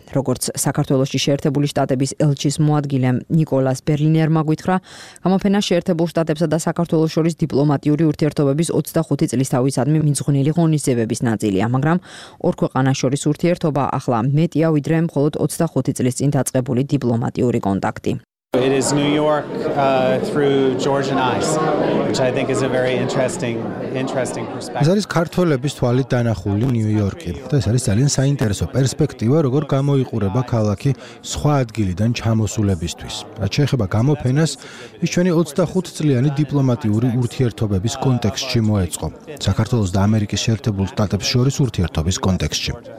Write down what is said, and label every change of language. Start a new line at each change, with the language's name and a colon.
Georgian: როგორც საქართველოს შეერთებული შტატების ელჩის მოადგილემ ნიკოლას ბერლინერმა გვითხრა, გამოფენა შეერთებულ შტატებსა და საქართველოს შორის დიპლომატიური ურთიერთობების 25 წლისთავისადმი მიძღვნილი ღონისძიების ნაწილია, მაგრამ ორ ქვეყანას შორის ურთიერთობა ახლა მეტია ვიდრე მხოლოდ 25 წლის წინ დაწყებული დიპლომატიური კონტაქტი.
English: It is New York through George and Ice, which I think is a very interesting perspective.
Georgian: ეს არის ქართველების თვალით დანახული ნიუ-იორკი და ეს არის ძალიან საინტერესო პერსპექტივა, როგორ გამოიყურება ქალაქი სხვა ადგილიდან ჩამოსულებისთვის. რა შეიძლება გამოფენას ის ჩვენი 25 წლიანი დიპლომატიური ურთიერთობების კონტექსტში მოეწყო. საქართველოს და ამერიკის შეერთებულ შტატებს შორის ურთიერთობის კონტექსტში.